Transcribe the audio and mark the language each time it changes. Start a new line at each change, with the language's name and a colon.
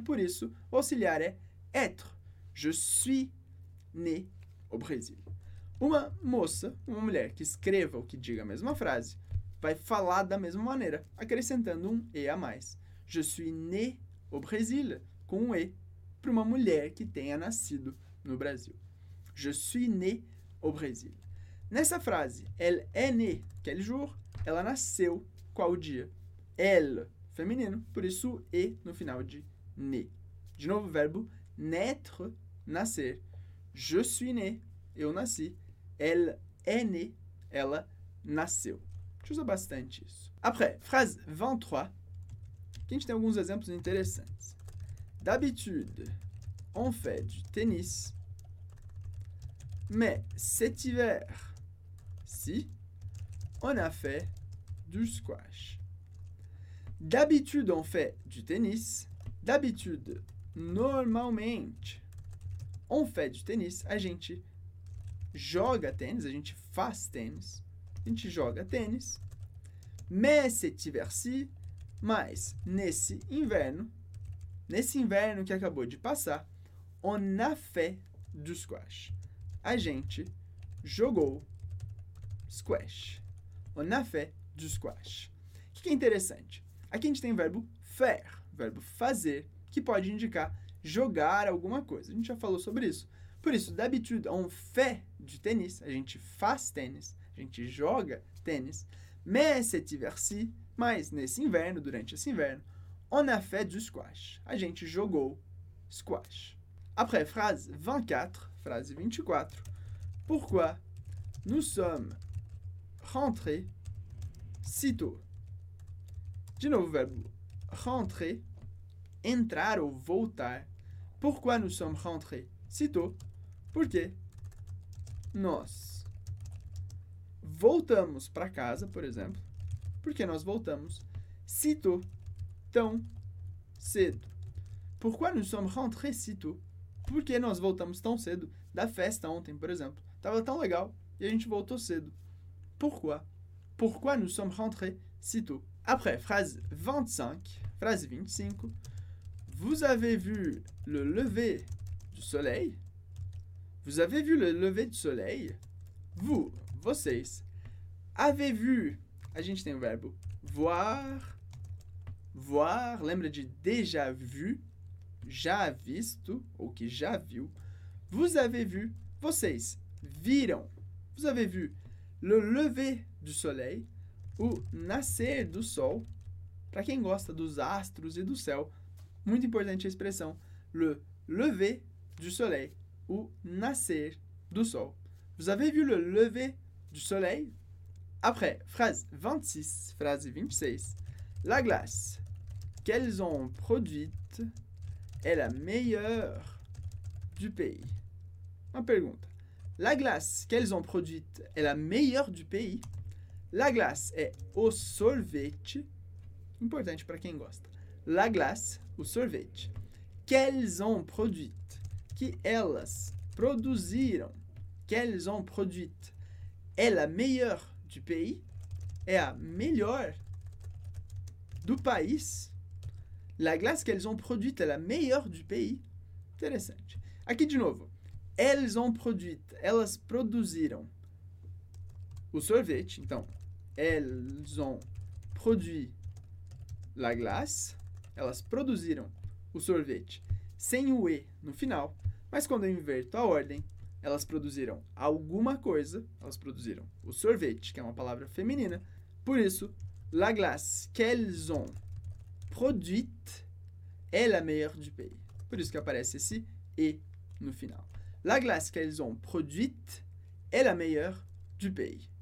Portuguese: Por isso, o auxiliar é être.
French: Je suis né au Brésil.
Portuguese: Uma moça, uma mulher que escreva ou que diga a mesma frase, vai falar da mesma maneira, acrescentando um E a mais.
French: Je suis né au Brésil,
Portuguese: com um E, para uma mulher que tenha nascido no Brasil.
French: Je suis né au Brésil.
Portuguese: Nessa frase,
French: elle est née, quel jour?
Portuguese: Ela nasceu, qual dia? Elle, feminino, por isso E no final de né. De novo, o verbo naître, nascer.
French: Je suis né,
Portuguese: eu nasci.
French: Elle est née,
Portuguese: ela nasceu. A gente usa bastante isso.
French: Après, phrase 23.
Portuguese: Aqui a gente tem alguns exemplos interessantes.
French: D'habitude, on fait du tennis. Mais cet hiver, si, on a fait du squash. D'habitude, on fait du tennis. D'habitude, normalmente, on fait du tennis.
Portuguese: A gente joga tênis, a gente faz tênis. A gente joga tênis.
French: Mais cet hiver, si,
Portuguese: mas nesse inverno que acabou de passar,
French: on a fait du squash.
Portuguese: A gente jogou squash.
French: On a fait du squash.
Portuguese: O que é interessante? Aqui a gente tem o verbo faire, verbo fazer, que pode indicar jogar alguma coisa. A gente já falou sobre isso. Por isso,
French: d'habitude, on fait du tennis.
Portuguese: A gente faz tênis, a gente joga tênis.
French: Mais cet hiver-ci,
Portuguese: mas nesse inverno, durante esse inverno,
French: on a fait du squash.
Portuguese: A gente jogou squash.
French: Après, phrase 24. Phrase 24. Pourquoi nous sommes rentrés si tôt?
Portuguese: De novo, o verbo rentrer, entrar ou voltar.
French: Pourquoi nous sommes rentrés si tôt?
Portuguese: Porque nós voltamos para casa, por exemplo. Porque nós voltamos
French: si tôt,
Portuguese: tão cedo.
French: Pourquoi nous sommes rentrés si tôt?
Portuguese: Por que nós voltamos tão cedo da festa ontem, por exemplo? Tava tão legal e a gente voltou cedo.
French: Pourquoi? Pourquoi nous sommes rentrés si tôt? Après, phrase 25. Phrase 25. Vous avez vu le lever du soleil? Vous avez vu le lever du soleil?
Portuguese: Vous, vocês,
French: avez vu...
Portuguese: A gente tem o verbo voir. Voir, lembra de déjà vu? Já visto, ou que já viu.
French: Vous avez vu, vocês viram. Vous avez vu le lever du soleil,
Portuguese: o nascer do sol. Para quem gosta dos astros e do céu, muito importante a expressão
French: le lever du soleil,
Portuguese: o nascer do sol.
French: Vous avez vu le lever du soleil? Après, phrase 26, phrase 26. La glace qu'elles ont produite est la meilleure du pays. Ma pergunta. La glace qu'elles ont produite est la meilleure du pays. La glace est au sorvete.
Portuguese: Importante para quem gosta.
French: La glace,
Portuguese: o sorvete.
French: Qu'elles ont produite.
Portuguese: Que elas produziram.
French: Qu'elles ont produite est la meilleure du pays. Est la meilleure du pays. La glace qu'elles ont produite est la meilleure du pays.
Portuguese: Intéressant. Aqui de novo.
French: Elles ont produite.
Portuguese: Elas produziram. O sorvete.
French: Então, elles ont produit la glace.
Portuguese: Elas produziram o sorvete. Sem o E no final. Mas quando eu inverto a ordem, elas produziram alguma coisa. Elas produziram o sorvete, que é uma palavra feminina. Por isso,
French: la glace qu'elles ont produite est la meilleure du pays.
Portuguese: Por isso que aparece esse E no final.
French: La glace qu'elles ont produite est la meilleure du pays.